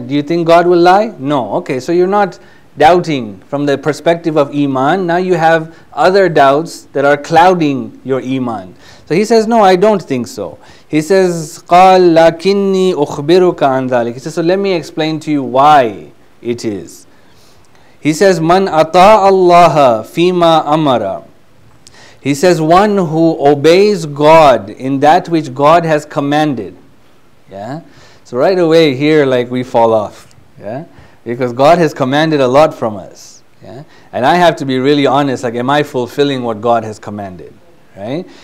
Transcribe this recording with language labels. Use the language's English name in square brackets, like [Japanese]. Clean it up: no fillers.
[English] Do you think God will lie? No. Okay, so you're not doubting from the perspective of iman. Now you have other doubts that are clouding your iman. So he says, no, I don't think so. He says, [Arabic] قَالْ لَكِنِّي أُخْبِرُكَ عَنْ ذَلِكَ. [English] He says, so let me explain to you why it is. He says, [Arabic] مَنْ أَطَاءَ اللَّهَ فِيمَا أَمَرَ. [English] He says, one who obeys God in that which God has commanded. Yeah? So right away here, like we fall off. Yeah? Because God has commanded a lot from us. Yeah? And I have to be really honest, like, am I fulfilling what God has commanded? Right?